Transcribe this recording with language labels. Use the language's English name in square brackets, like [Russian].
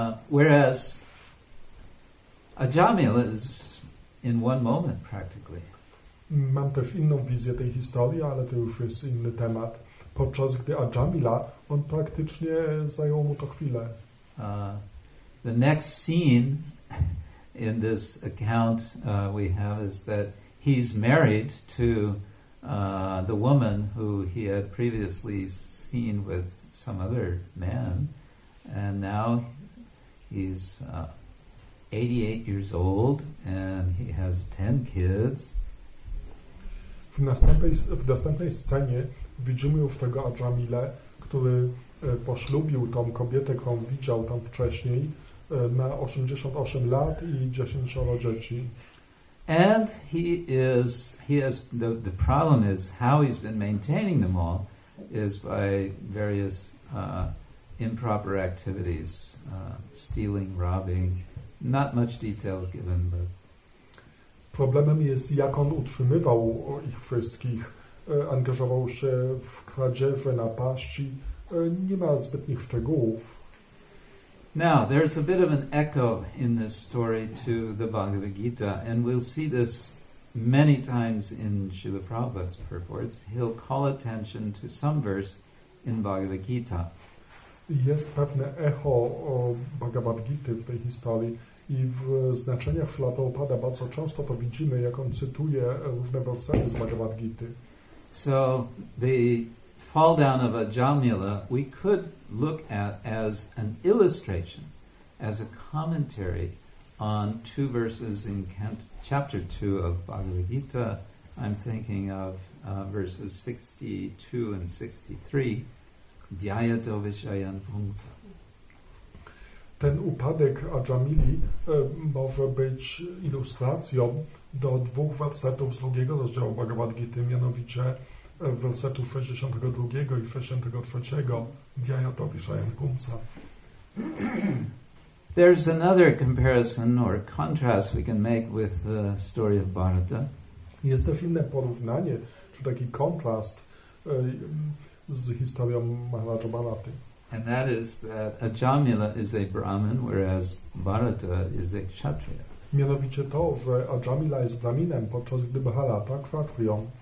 [English] Whereas Ajamila is in one moment practically. [Polish] Mam też inną wizję tej historii, ale to już jest inny temat. Podczas gdy Ajamila, on praktycznie zajął mu to chwilę. [English] The next scene in this account we have is that he's married to the woman who he had previously seen with some other man, and now he's 88 years old and he has 10 kids. [Polish] W następnej scenie widzimy już tego Adjamile, który poślubił tą kobietę, którą widział tam wcześniej, ma 88 lat i 10 dzieci. [English] And he has the problem is how he's been maintaining them all is by various improper activities, stealing, robbing. Not much details given, but [Polish] problemem jest, jak on utrzymywał ich wszystkich, angażował się w kradzieże, napaści. Nie ma zbytnich szczegółów. [English] Now, there's a bit of an echo in this story to the Bhagavad Gita, and we'll see this many times in Srila Prabhupada's purports. He'll call attention to some verse in Bhagavad Gita. [Polish] Jest pewne echo o Bhagavad Gita w tej historii i w znaczeniach Srila Prabhupada bardzo często to widzimy, jak on cytuje różne wersety z Bhagavad Gita. [English] So, the fall down of Adjamila we could look at as an illustration, as a commentary on two verses in chapter 2 of Bhagavad Gita. I'm thinking of verses 62 and 63. [Sanskrit] Dhyayato Vishayan Pungsa. [Polish] Ten upadek Adjamili może być ilustracją do dwóch wersetów z drugiego rozdziału Bhagavad Gita, mianowicie w wersetu 62 i 63 [Sanskrit] Dhyayato Vishayan Pungsa. [English] There's another comparison or contrast we can make with the story of Bharata. [Polish] Jest też inne porównanie, czy taki kontrast z historią Maharaja Bharaty. [English] And that is that Adjamila is a Brahmin, whereas Bharata is a Kshatriya. [Polish] Mianowicie to, że Adjamila jest Brahminem, podczas gdy Bharata Kshatriya.